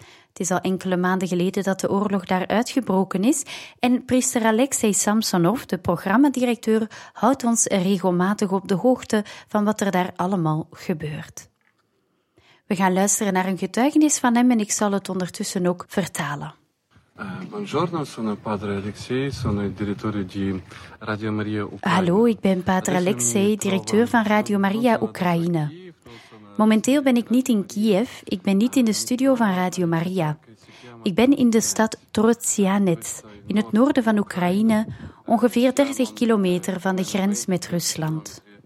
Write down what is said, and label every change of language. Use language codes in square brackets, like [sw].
[nl] Het is al enkele maanden geleden dat de oorlog daar uitgebroken is en priester Alexei Samsonov, de programmadirecteur, houdt ons regelmatig op de hoogte van wat er daar allemaal gebeurt. We gaan luisteren naar een getuigenis van hem en ik zal het ondertussen ook vertalen. [it] Buongiorno, sono padre Alexei, sono il direttore di Radio Maria Ucraina. [nl] Hallo, ik ben padre Alexei, directeur van Radio Maria Oekraïne. Momenteel ben ik niet in Kiev, ik ben niet in de studio van Radio Maria. Ik ben in de stad Trotsianets, in het noorden van Oekraïne, ongeveer 30 kilometer van de grens met Rusland.